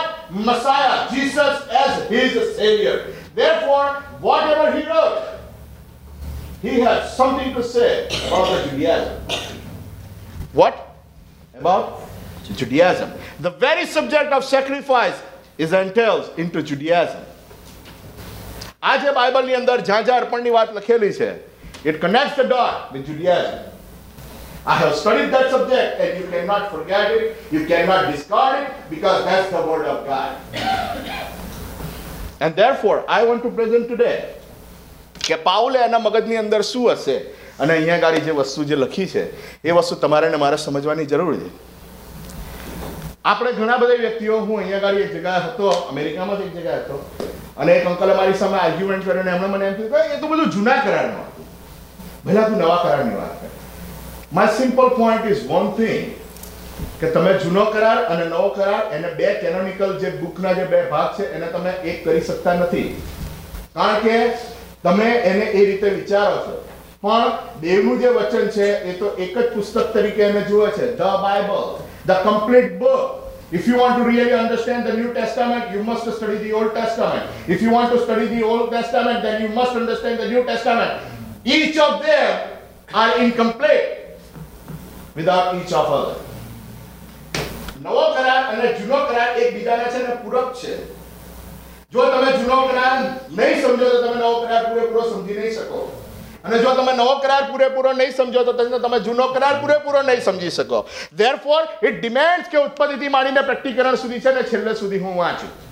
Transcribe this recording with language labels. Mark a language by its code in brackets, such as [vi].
[en] Messiah, Jesus as his savior. Therefore, whatever he wrote, he has something to say about the Judaism. What? About Judaism. The very subject of sacrifice is entails into Judaism. [gu] આજે બાઇબલની અંદર જ્યાં જ્યાં અર્પણની વાત લખેલી છે, [en] it connects the dot with Judaism. I have studied that subject and you cannot forget it, you cannot discard it, because that's the word of God. And therefore, I want to present today [gu] કે પાઉલે એના મગજની અંદર શું હશે અને અહીંયા ગાડી જે વસ્તુ જે લખી છે એ વસ્તુ તમારે ને મારે સમજવાની જરૂર છે. આપણે ઘણા બધા વ્યક્તિઓ, હું અહીંયા ગાડી એક જગ્યાએ હતો, અમેરિકામાં જ એક જગ્યાએ હતો, અને એક અંકલ અમારી સામે આર્ગ્યુમેન્ટ કર્યો અને એમણે મને એમ કહ્યું કે એ તો બધું જૂના કરારનું હતું, ભલે તું નવા કરારની વાત કર. [en] My simple point is one thing, [gu] કે તમે જૂનો કરાર અને નવો કરાર એને બે કેનોનિકલ જે બુકના જે બે ભાગ છે એને તમે એક કરી શકતા નથી, કારણ કે તમે એને એ રીતે વિચારો છો. પણ દેવનું જે વચન છે એ તો એક જ પુસ્તક તરીકે એને જુએ છે, [en] The Bible, the complete book. If you want to really understand the New Testament, you must study the Old Testament. If you want to study the Old Testament, then you must understand the New Testament. Each of them are incomplete without each of other. [gu] નવો કરાર અને જૂનો કરાર એક બીજાને છે ને પૂરક છે. જો તમે જૂનો કરાર નહીં સમજો તો તમે નવો કરાર પૂરેપૂરો સમજી નહીં શકો, અને જો તમે નવો કરાર પૂરેપૂરો નહીં સમજો તો તમે જૂનો કરાર પૂરેપૂરો નહીં સમજી શકો. [en] therefore it demands [gu] કે ઉત્પત્તિથી માંડીને પ્રકટીકરણ સુધી છે ને છેલ્લે સુધી હું વાંચું.